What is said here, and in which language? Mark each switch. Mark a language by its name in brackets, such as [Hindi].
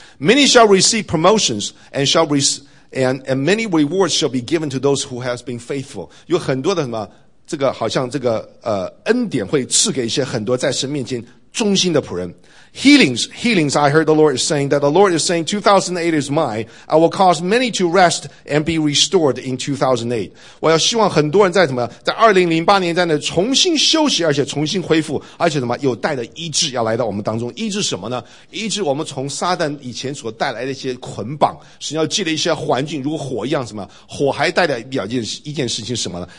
[English] Many shall receive promotions and shall and many rewards shall be given to those who has been faithful. [Chinese] 有很多的什么，这个好像这个恩典会赐给一些很多在神面前忠心的仆人。 [English] Healings, I heard the Lord is saying that the Lord is saying 2008 is mine. I will cause many to rest and be restored in 2008. [Chinese] 我要希望很多人在什么在2008年在那重新休息而且重新恢复而且什么有带的医治要来到我们当中。医治什么呢？医治我们从撒旦以前所带来的一些捆绑，是要借了一些环境如火一样什么，火还带来一件事情什么呢？